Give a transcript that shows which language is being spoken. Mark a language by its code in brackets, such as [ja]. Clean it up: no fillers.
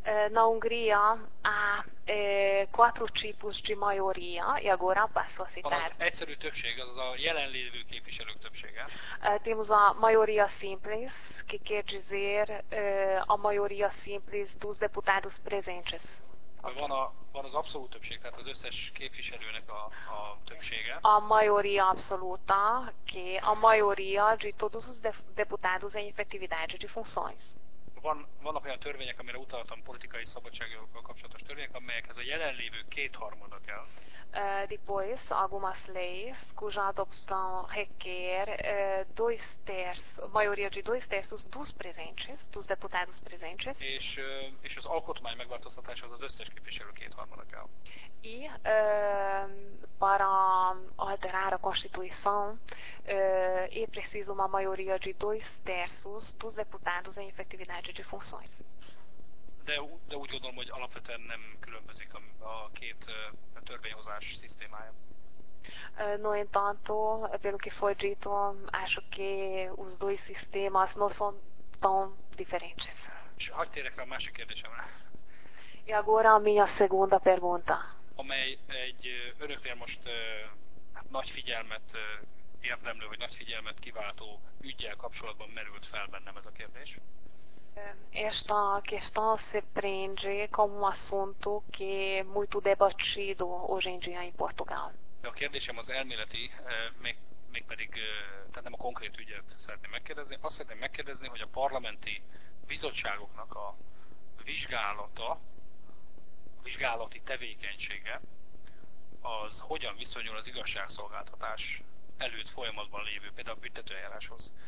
[pt] Na Hungria há quatro tipos de maioria e agora passo a citar. [hu] Egyszerű többség, az a jelenlévő képviselők többsége. [pt] Temos a maioria simples, que quer dizer a maioria simples dos deputados presentes. Okay. [hu] Van az abszolút többség, tehát az összes képviselőnek a többsége. [pt] A maioria absoluta, que a maioria de todos os deputados em efetividade de funções. [hu] Vannak olyan törvények, amire utaltam, politikai szabadságokkal kapcsolatos törvények, amelyekhez a jelenlévő kétharmada kell. [pt] Depois, algumas leis cuja adopção requer dois terços, maioria de dois terços dos presentes, dos deputados presentes. [hu] És az alkotmány megváltoztatáshoz az összes képviselő kétharmada kell. [pt] E para alterar a Constituição é preciso uma maioria de dois terços dos deputados em efetividade de funções. [hu] De úgy gondolom, hogy alapvetően nem különbözik a két a törvényhozás szisztémája. [pt] No entanto, pelo que foi dito, acho que os dois sistemas não são tão diferentes. [hu] És hagyj térek rá a másik kérdésemre. [pt] E agora a minha segunda pergunta. [hu] Amely egy önöknél most nagy figyelmet érdemlő, vagy nagy figyelmet kiváltó üggyel kapcsolatban merült fel bennem ez a kérdés. [pt] Esta questão se prende com um assunto que é muito debatido hoje em dia em Portugal. [hu] A kérdésem az elméleti, mégpedig, tehát nem a konkrét ügyet szeretném megkérdezni. Azt szeretném megkérdezni, hogy a parlamenti bizottságoknak a vizsgálata, a vizsgálati tevékenysége, az hogyan viszonyul az igazságszolgáltatás előtt folyamatban lévő, például a büntetőeljáráshoz.